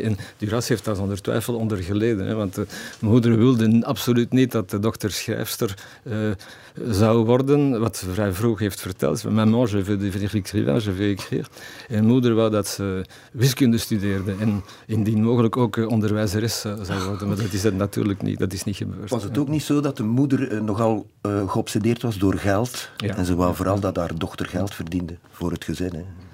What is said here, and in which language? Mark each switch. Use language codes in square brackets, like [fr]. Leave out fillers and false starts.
[nl] En Duras heeft daar zonder twijfel onder geleden. Hè, want mijn moeder wilde absoluut niet dat de dochter schrijfster zou worden, wat ze vrij vroeg heeft verteld. [fr] Maman, je veux devenir écrivain, je veux écrire. [nl] En moeder wou dat ze wiskunde studeerde en indien mogelijk ook onderwijzeres zou worden. Maar dat is het natuurlijk niet, dat is niet gebeurd. Was het ook niet zo dat de moeder nogal geobsedeerd was door geld? Ja. En ze wou vooral dat haar dochter geld verdiende voor het gezin, hè?